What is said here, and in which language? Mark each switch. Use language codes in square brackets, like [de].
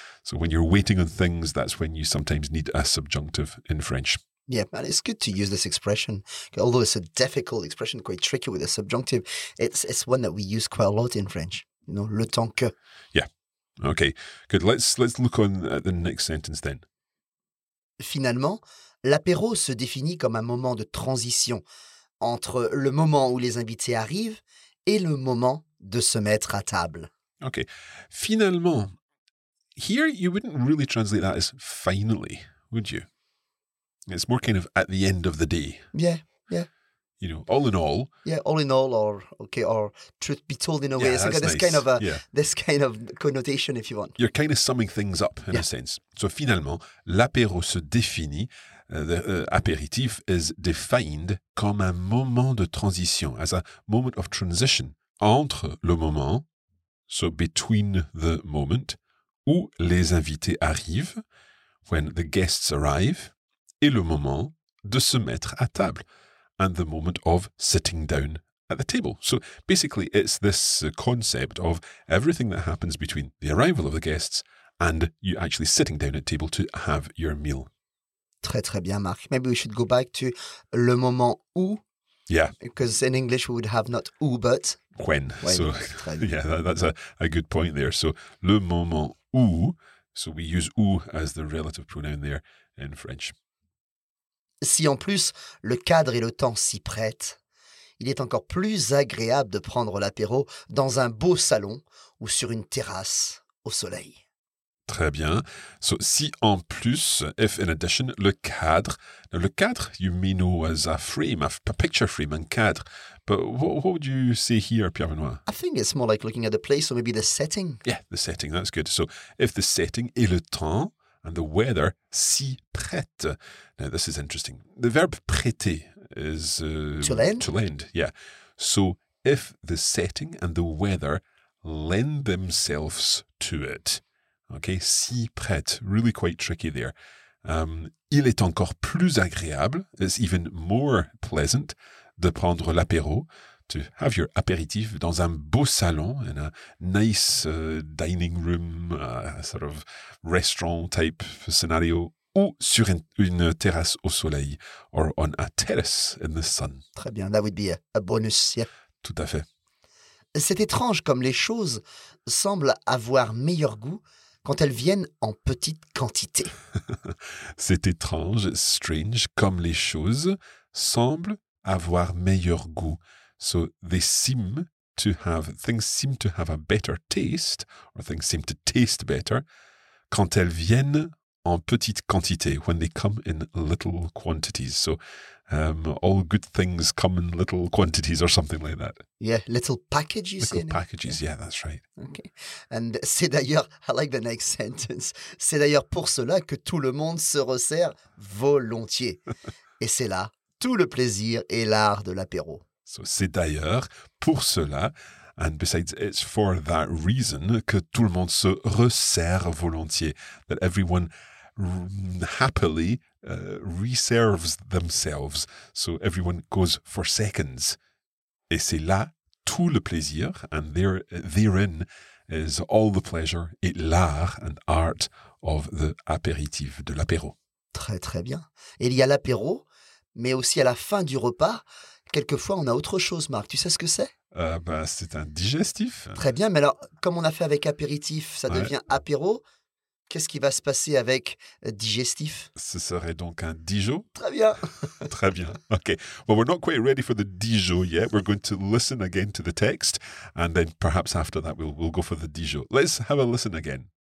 [en] So when you're waiting on things, that's when you sometimes need a subjunctive in French. Yeah, and it's good to use this expression. Although it's a difficult expression, quite tricky with a subjunctive, it's one that we use quite a lot in French, you know, [fr] le temps que. [en] Yeah, okay, good. Let's look on at the next sentence then. [fr] Finalement, l'apéro se définit comme un moment de transition entre le moment où les invités arrivent et le moment de se mettre à table. [en] Okay. Finalement, here you wouldn't really translate that as finally, would you? It's more kind of at the end of the day. Yeah, yeah. You know, all in all. Yeah, all in all, or okay, or truth be told in a yeah, way. It's that's like this nice. Kind of a this kind of connotation, if you want. You're kind of summing things up in a sense. [fr] So finalement, l'apéro se définit. [en] The apéritif is defined [fr] comme un moment de transition, [en] as a moment of transition, [fr] entre le moment, [en] so between the moment, [fr] où les invités arrivent, [en] when the guests arrive, [fr] et le moment de se mettre à table, [en] and the moment of sitting down at the table. So basically, it's this concept of everything that happens between the arrival of the guests and you actually sitting down at table to have your meal. [fr] Très, très bien, [en] Marc. Maybe we should go back to [fr] le moment où. [en] Yeah. Because in English, we would have not où, but... When. So, yeah, that's a good point there. So, [fr] le moment où. [en] So, we use où as the relative pronoun there in French. [fr] Si en plus, le cadre et le temps s'y prêtent, il est encore plus agréable de prendre l'apéro dans un beau salon ou sur une terrasse au soleil. Très bien. So, si en plus, [en] if in addition, [fr] le cadre. [en] Now, le cadre, you may know as a frame, a picture frame, un cadre. But what would you say here, Pierre-Benoît? I think it's more like looking at the place or maybe the setting. Yeah, the setting, that's good. So, if the setting [fr] et le temps [en] and the weather [fr] s'y prêtent. [en] Now, this is interesting. The verb prêter is... To lend. To lend, yeah. So, if the setting and the weather lend themselves to it. Okay, [fr] si prête, [en] really quite tricky there. [fr] Il est encore plus agréable, [en] it's even more pleasant, [fr] de prendre l'apéro, [en] to have your apéritif [fr] dans un beau salon, [en] in a nice dining room, sort of restaurant type scenario, [fr] ou sur une terrasse au soleil, [en] or on a terrace in the sun. [fr] Très bien, [en] that would be a bonus, yeah. [fr] Tout à fait. C'est étrange comme les choses semblent avoir meilleur goût quand elles viennent en petite quantité. C'est étrange, [en] strange, [fr] comme les choses semblent avoir meilleur goût. [en] So they seem to have, things seem to have a better taste, or things seem to taste better, quand elles viennent en petite quantité, when they come in little quantities. So all good things come in little quantities or something like that. Yeah, little packages. Little packages, yeah, that's right. Okay. [fr] And c'est d'ailleurs, [en] I like the next sentence, [fr] c'est d'ailleurs pour cela que tout le monde se resserre volontiers. Et c'est là tout le plaisir et l'art de l'apéro. [en] So [fr] c'est d'ailleurs pour cela, [en] and besides, it's for that reason, [fr] que tout le monde se resserre volontiers, [en] that everyone happily reserves themselves. So everyone goes for seconds. [fr] Et c'est là tout le plaisir, [en] and therein is all the pleasure [fr] et l'art [en] and art of the apéritif, [fr] de l'apéro. Très, très bien. Et il y a l'apéro, mais aussi à la fin du repas, quelquefois on a autre chose, Marc. Tu sais ce que c'est? C'est un digestif. Très bien, mais alors, comme on a fait avec apéritif, ça devient apéro. Qu'est-ce qui va se passer avec digestif? Ce serait donc un Dijo. Très bien. Très bien. OK. [en] Well, we're not quite ready for the Dijo yet. We're going to listen again to the text. And then perhaps after that, we'll go for the Dijo. Let's have a listen again.